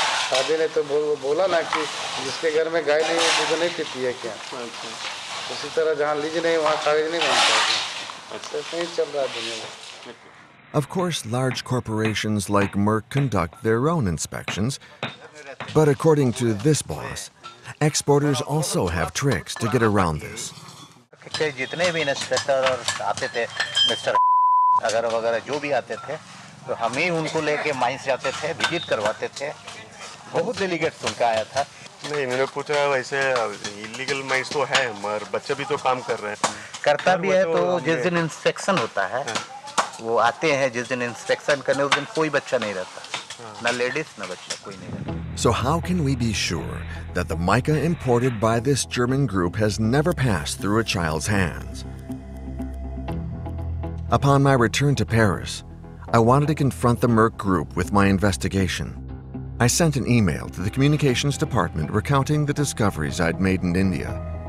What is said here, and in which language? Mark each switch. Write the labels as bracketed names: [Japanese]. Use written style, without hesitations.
[Hindi] शादी ने तो बोला ना कि जिसके घर में गाय नहीं है दूध नहीं पीती है क्या? अच्छा, उसी तरह जहाँ लीज नहीं वहाँ कागज नहीं बनता है, ऐसे ही चल रहा है दुनिया में। [English] Of course, large corporations like Merck conduct their own inspections, but according to this boss, exporters also have tricks to get around this. [Hindi] जितने भी इंस्पेक्टर और आते थे मिस्टर अगर वगैरह जो भी आते थे तो हम ही उनको लेके माइंस जाते थे, विजिट करवाते थे, बहुत डेलीगेट्स उनके आया था। नहीं, इन्होंने पूछा वैसे इल्लीगल माइंस तो है मगर बच्चे भी तो काम कर रहे हैं, करता भी है, तो जिस दिन इंस्पेक्शन होता है वो आते हैं, जिस दिन इंस्पेक्शन करने उस दिन कोई बच्चा नहीं रहता, ना लेडीज ना बच्चा, कोई नहीं रहता। [English] So how can we be sure that the mica imported by this German group has never passed through a child's hands? Upon my return to Paris, I wanted to confront the Merck group with my investigation. I sent an email to the communications department recounting the discoveries I'd made in India.